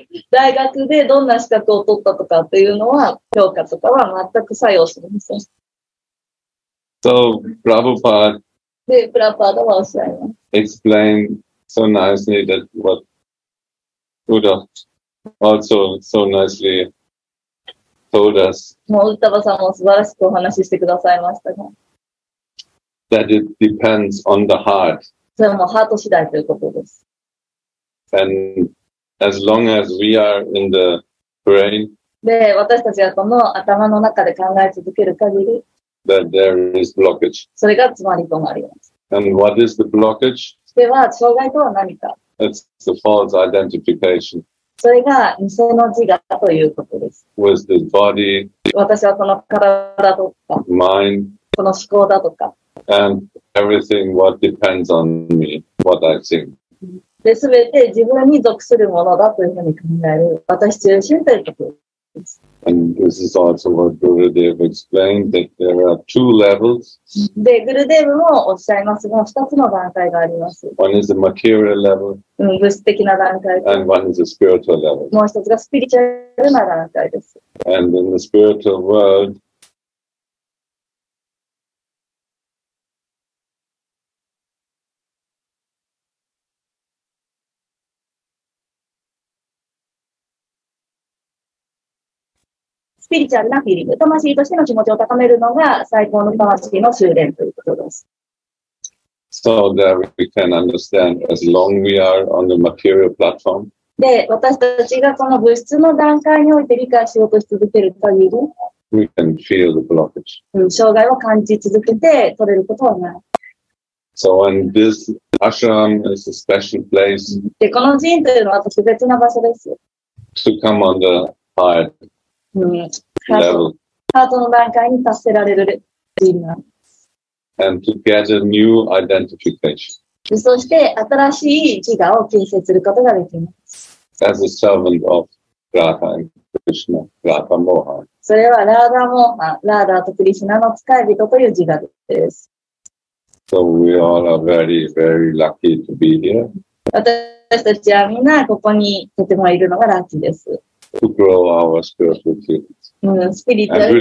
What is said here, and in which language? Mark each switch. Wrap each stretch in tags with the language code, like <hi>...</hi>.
<ja>大学でどんな資格を取ったとかっていうのは、評価とかは全く作用しません。</ja> <en>So, Prabhupada.</en> <ja>プラパーダはおっしゃいます。</ja> <en>Explained so nicely that what Buddha also so nicely told us.</en> <ja>もう、ウッダバさんも素晴らしくお話ししてくださいましたが。</ja> <en>That it depends on the heart.</en> <ja>それもハート次第ということです。</ja> <en>And as long as we are in the brain,</en> <ja>で、私たちがこの頭の中で考え続ける限り、</ja> <en>that there is blockage.</en> <ja>それが詰まりとなります。</ja> <en>And what is the blockage?</en> <ja>では、障害とは何か。</ja> <en>It's the false identification.</en> <ja>それが偽の自我ということです。</ja> <en>With the body,</en> <ja>私はこの体だとか、</ja> <en>mind,</en> <ja>この思考だとか、</ja> <en>And everything what depends on me, what I think.</en> <ja>で、すべて自分に属するものだというふうに考える。私中心ということです。</ja> <en>And this is also what Gurudev explained, that there are two levels.</en> <ja>で、グルデーブもおっしゃいますが、二つの段階があります。</ja> <en>One is the material level.</en> <ja>うん、物質的な段階。</ja> <en>And one is the spiritual level.</en> <ja>もう一つがスピリチュアルな段階です。</ja> <en>And in the spiritual world,</en> <ja>スピリチュアルなフィーリング、魂としての気持ちを高めるのが最高の魂の修練ということです。</ja> <en>So that we can understand as long we are on the material platform.</en> <ja>で、私たちがその物質の段階において理解しようとし続ける限り、</ja> <en>we can feel the blockage.</en> <ja>障害を感じ続けて取れることはない。</ja> <en>So and this ashram is a special place.</en> <ja>で、この寺院というのは特別な場所です。</ja> <en>To come on the higher.</en> <ja>ハートの段階に達せられる人なんです。</ja> <en>And to get a new identification.</en> <ja>そして新しい自我を形成することができます。</ja> <en>As a servant of Radha and Krishna, Radha Moha.</en> <ja>それはラーダモーハン、ラーダとクリシナの使い人という自我です。</ja> <en>So we all are very, very lucky to be here.</en> <ja>私たちはみんなここにとてもいるのがラッキーです。</ja> <en>To grow our spiritual feelings. スピリチュアル</en>